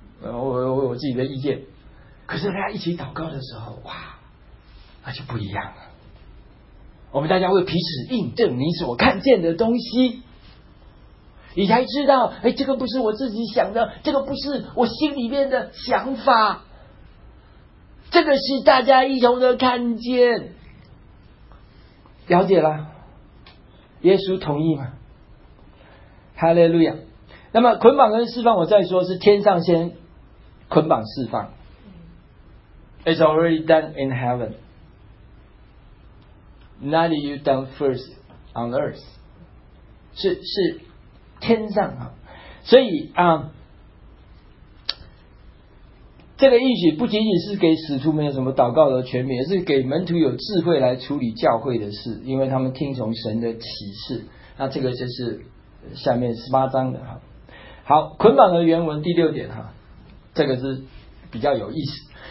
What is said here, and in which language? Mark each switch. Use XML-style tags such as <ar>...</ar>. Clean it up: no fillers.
<zh>我自己的意见。可是大家一起祷告的时候，哇，那就不一样了。我们大家会彼此印证你所看见的东西，你才知道，哎，这个不是我自己想的，这个不是我心里面的想法，这个是大家一同的看见。了解了，耶稣同意吗？哈利路亚。那么捆绑跟释放，我再说是天上先捆绑释放。</zh> <en>It's already done in heaven. Not you done first on earth.</en> <zh>是天上啊，所以啊，这个应许不仅仅是给使徒没有什么祷告的权柄，而是给门徒有智慧来处理教会的事，因为他们听从神的启示。那这个就是下面十八章的哈。好，捆绑的原文第六点哈，这个是比较有意思。</zh>